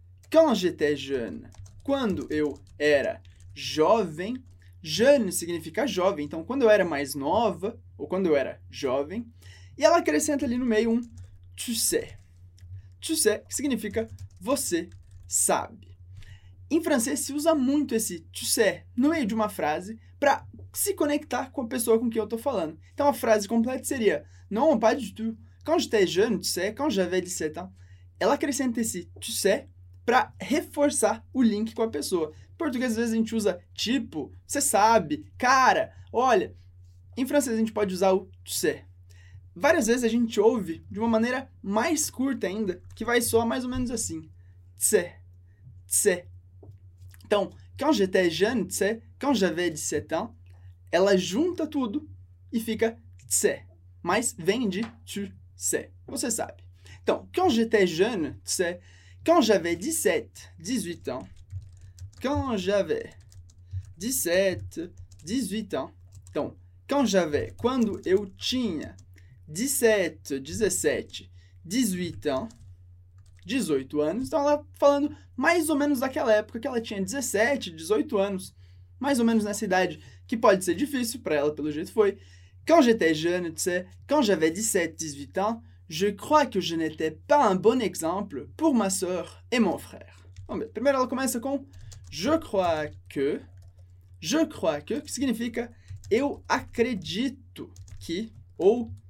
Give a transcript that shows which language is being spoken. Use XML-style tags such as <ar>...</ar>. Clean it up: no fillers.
<fr>Quand j'étais jeune,</fr> <pt>quando eu era jovem, jeune significa jovem, então quando eu era mais nova, ou quando eu era jovem, e ela acrescenta ali no meio um</pt> <fr>tu sais. Tu sais,</fr> <pt>que significa você sabe. Em francês se usa muito esse</pt> <fr>tu sais</fr> <pt>no meio de uma frase para se conectar com a pessoa com quem eu tô falando. Então a frase completa seria</pt> <fr>non, pas du tout. Quand j'étais jeune, tu sais, quand j'avais 17 ans.</fr> <pt>Ela acrescenta esse tu sais para reforçar o link com a pessoa. Em português às vezes a gente usa tipo, você sabe, cara, olha. Em francês a gente pode usar o</pt> <fr>tu sais.</fr> <pt>Várias vezes a gente ouve de uma maneira mais curta ainda, que vai soar mais ou menos assim.</pt> <fr>Tu sais. Tu sais.</fr> <pt>Então,</pt> <fr>quand j'étais jeune, tu sais, quand j'avais 17 ans,</fr> <pt>ela junta tudo e fica</pt> <fr>tu sais.</fr> <pt>Mas vem de</pt> <fr>tu sais.</fr> <pt>Você sabe. Então,</pt> <fr>quand j'étais jeune, tu sais, quand j'avais 17, 18 ans. Quand j'avais 17, 18 ans.</fr> <pt>Então,</pt> <fr>quand j'avais,</fr> <pt>quando eu tinha 17, 17,</pt> <fr>18 ans,</fr> <pt>18 anos. Então, ela falando mais ou menos daquela época que ela tinha 17, 18 anos. Mais ou menos nessa idade, que pode ser difícil para ela, pelo jeito foi.</pt> <fr>Quand j'étais jeune, tu sais, quand j'avais 17, 18 ans, je crois que je n'étais pas un bon exemple pour ma soeur et mon frère.</fr> <pt>Bom, bem, primeiro, ela começa com</pt> <fr>je crois que,</fr> <pt>que significa eu acredito que, ou...</pt>